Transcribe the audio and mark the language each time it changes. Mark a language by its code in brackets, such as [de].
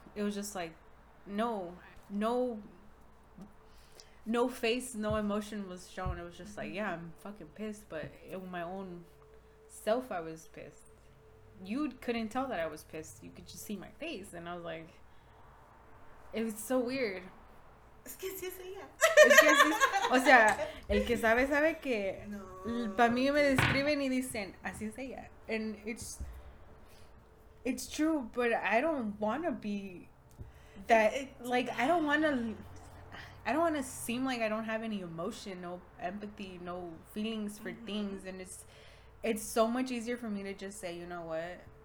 [en] It was just like, no face, no emotion was shown. It was just like, yeah, I'm fucking pissed, but in my own self, I was pissed. You couldn't tell that I was pissed. You could just see my face, and I was like, It's so weird. [es] Es que sí es ella. Es que sí es, o sea, el que sabe, sabe que... No. Para mí me describen y dicen, así es ella. [en] And it's true, but I don't want to be that... Like, I don't want to... I don't want to seem like I don't have any emotion, no empathy, no feelings for mm-hmm. things. And it's so much easier for me to just say, you know what?